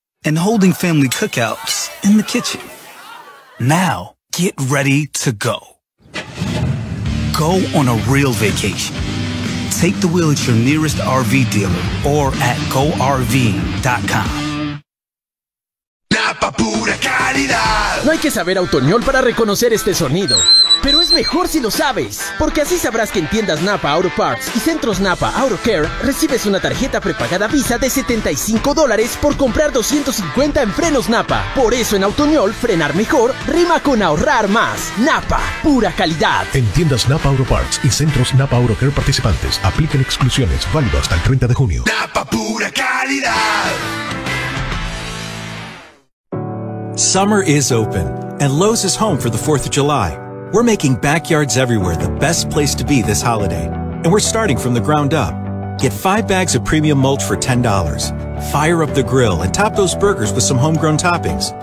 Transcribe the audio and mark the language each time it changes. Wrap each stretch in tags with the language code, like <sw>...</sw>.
<en>And holding family cookouts in the kitchen. Now, get ready to go. Go on a real vacation. Take the wheel at your nearest RV dealer or at GoRV.com.</en> <es>La papura calidad. No hay que saber autoñol para reconocer este sonido. Pero es mejor si lo sabes, porque así sabrás que en tiendas Napa Auto Parts y centros Napa Auto Care recibes una tarjeta prepagada Visa de $75 por comprar 250 en frenos Napa. Por eso en Autoñol, frenar mejor rima con ahorrar más. Napa, pura calidad. En tiendas Napa Auto Parts y centros Napa Auto Care participantes, apliquen exclusiones, válido hasta el 30 de junio. Napa, pura calidad.</es> <en>Summer is open, and Lowe's is home for the 4th of July. We're making backyards everywhere the best place to be this holiday. And we're starting from the ground up. Get 5 bags of premium mulch for $10. Fire up the grill and top those burgers with some homegrown toppings.</en>